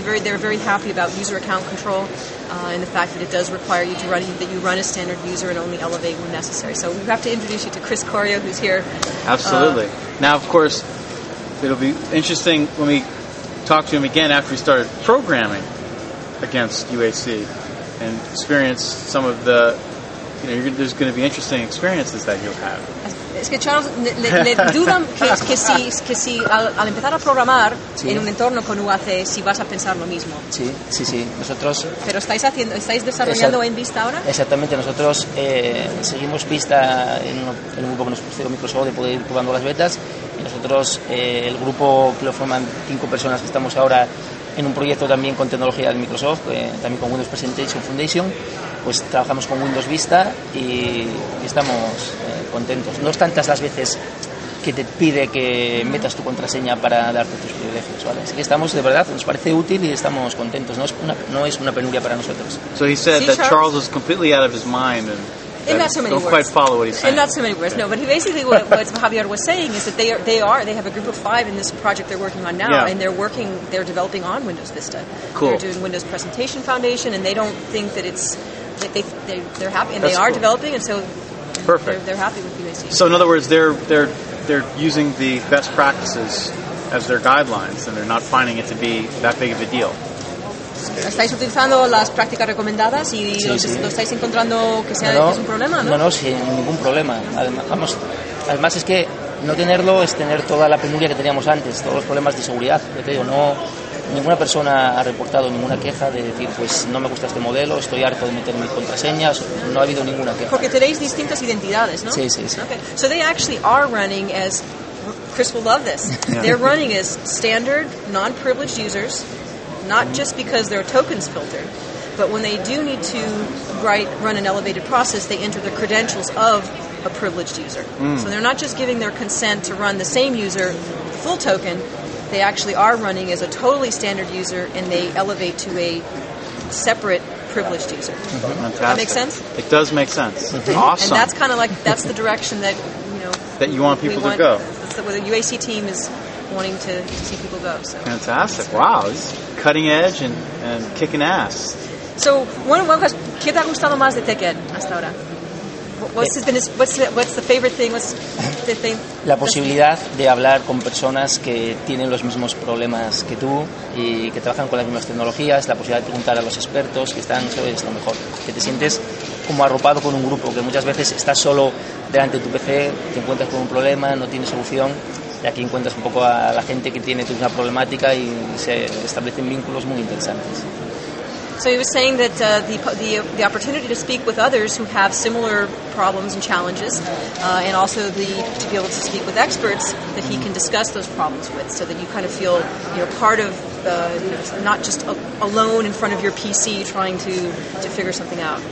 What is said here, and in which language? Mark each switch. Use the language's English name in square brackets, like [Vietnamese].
[English] They're very happy about user account control and the fact that it does require you to run a standard user and only elevate when necessary. So we have to introduce you to Chris Corio, who's here. Absolutely. Now, of course, it'll be interesting when we talk to him again after he started programming against UAC and experience some of the, you know, there's going to be interesting experiences that you'll have. [Spanish] Es que Charles, le dudan que si al empezar a programar sí. en un entorno con UAC, si vas a pensar lo mismo. Sí, sí, sí. Nosotros... ¿Pero estáis desarrollando en Vista ahora? Exactamente. Nosotros seguimos Vista en un grupo que nos puso Microsoft de poder ir probando las betas. Y nosotros, el grupo que lo forman 5 personas que estamos ahora en un proyecto también con tecnología de Microsoft, también con Windows Presentation Foundation, pues trabajamos con Windows Vista y estamos contentos. No es tantas las veces que te pide que metas tu contraseña para darte tus privilegios, ¿vale? Así que estamos, de verdad, nos parece útil y estamos contentos. No es una penuria para nosotros. [English] So he said that Charles is completely out of his mind and in not so many don't words. Quite follow what he's saying. In not so many words, no. But he basically, what Javier was saying is that they have a group of 5 in this project they're working on now, yeah. and they're developing on Windows Vista. Cool. They're doing Windows Presentation Foundation, and they don't think that it's that they're happy, and that's they are cool. developing, and so perfect. They're happy with UAC. So in other words, they're using the best practices as their guidelines, and they're not finding it to be that big of a deal. [Spanish] ¿Estáis utilizando las prácticas recomendadas y sí, lo estáis encontrando que sea no, que es un problema, no? No, sin ningún problema. Además es que no tenerlo es tener toda la penuria que teníamos antes, todos los problemas de seguridad. Yo te digo, no, ninguna persona ha reportado ninguna queja de decir, pues no me gusta este modelo, estoy harto de meter mis contraseñas, no ha habido ninguna queja. Porque tenéis distintas identidades, ¿no? Sí, sí, sí. [English] Okay. So they actually are running as, Chris will love this, yeah. they're running as standard, non-privileged users, not just because their tokens filtered, but when they do need to run an elevated process, they enter the credentials of a privileged user. Mm. So they're not just giving their consent to run the same user full token, they actually are running as a totally standard user and they elevate to a separate privileged user. Mm-hmm. That makes sense? It does make sense. Awesome. And that's kind of like, that's the direction that, you know, that you want people to go. That's where the UAC team is wanting to see people go. So. Fantastic. Wow. Cutting edge and kicking ass. So, one question: [Spanish] ¿qué te ha gustado más de TechEd hasta ahora? [English] What's the favorite thing? [Spanish] La posibilidad de hablar con personas que tienen los mismos problemas que tú y que trabajan con las mismas tecnologías, la posibilidad de preguntar a los expertos que están, eso es lo mejor. Que te sientes como arropado con un grupo, que muchas veces estás solo delante de tu PC, te encuentras con un problema, no tienes solución. Y aquí encuentras un poco a la gente que tiene una problemática y se establecen vínculos muy interesantes. [English] So he was saying that the opportunity to speak with others who have similar problems and challenges, and also to be able to speak with experts that he can discuss those problems with, so that you kind of feel, you know, part of the, you know, not just alone in front of your PC trying to figure something out.